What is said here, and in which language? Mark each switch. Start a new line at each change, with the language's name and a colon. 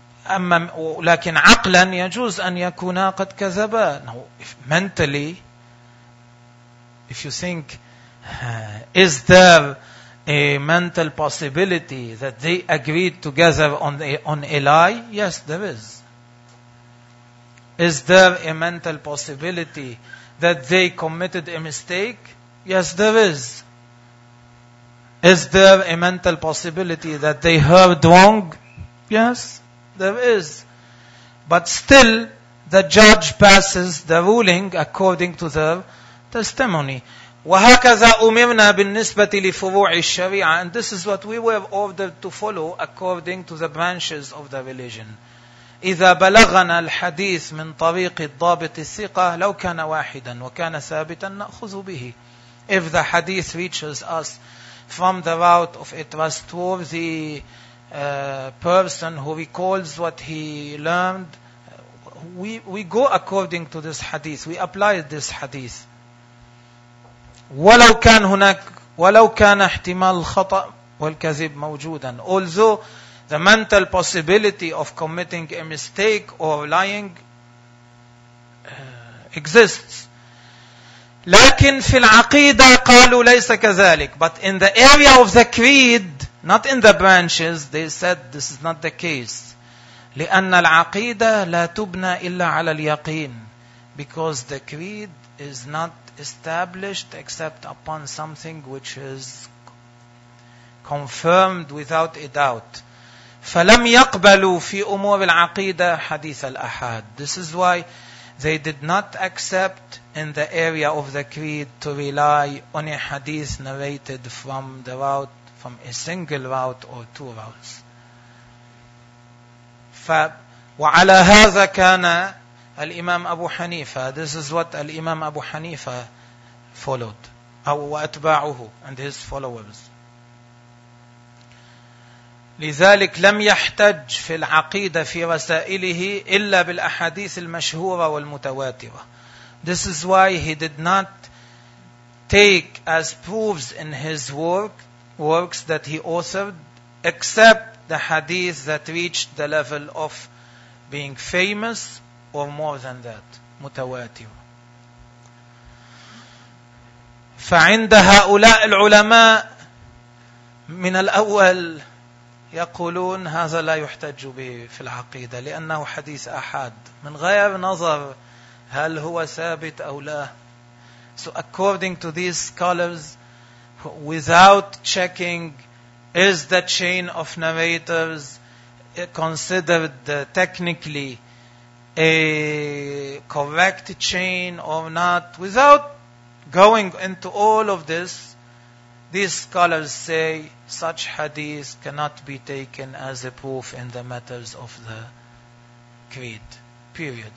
Arabic: أما لكن عقلا يجوز أن يكونا قد كذبا.
English: Now, if mentally, if you think, is there a mental possibility that they agreed together on a lie? Yes, there is. Is there a mental possibility that they committed a mistake? Yes, there is. Is there a mental possibility that they heard wrong? Yes, there is. But still, the judge passes the ruling according to their testimony.
Arabic: وهكذا أمرنا بالنسبة لفروع الشريعة.
English: And this is what we were ordered to follow according to the branches of the religion.
Arabic: إذا بلغنا الحديث من طريق الضابط الثقة, لو كان واحدا وكان ثابتا نأخذ به.
English: If the hadith reaches us from the route of a trustworthy person who recalls what he learned, we go according to this hadith. We apply this hadith.
Arabic: ولو كان هناك ولو كان احتمال الخطأ والكذب موجودا.
English: Although the mental possibility of committing a mistake or lying exists,
Arabic: لكن في العقيدة قالوا ليس كذلك.
English: But in the area of the creed, not in the branches, they said this is not the case.
Arabic: لأن العقيدة لا تبنى إلا على اليقين.
English: Because the creed is not established except upon something which is confirmed without a doubt.
Arabic: فلم يقبلوا في أمور العقيدة حديث الأحد.
English: This is why they did not accept in the area of the creed to rely on a hadith narrated from the route, from a single route or two routes.
Arabic: وعلى هذا كان الإمام أبو حنيفة.
English: This is what الإمام أبو حنيفة followed,
Arabic: وأتباعه
English: and his followers.
Arabic: لذلك لم يحتج في العقيدة في رسائله إلا بالأحاديث المشهورة والمتواترة.
English: This is why he did not take as proofs in his works that he authored except the hadith that reached the level of being famous or more than that, متواتر.
Arabic: فعند هؤلاء العلماء من الأول يقولون هذا لا يحتج به في العقيدة لأنه حديث أحد من غير نظر هل هو ثابت أو لا.
English: So according to these scholars, without checking is the chain of narrators considered technically a correct chain or not, without going into all of this, these scholars say such hadith cannot be taken as a proof in the matters of the creed, period.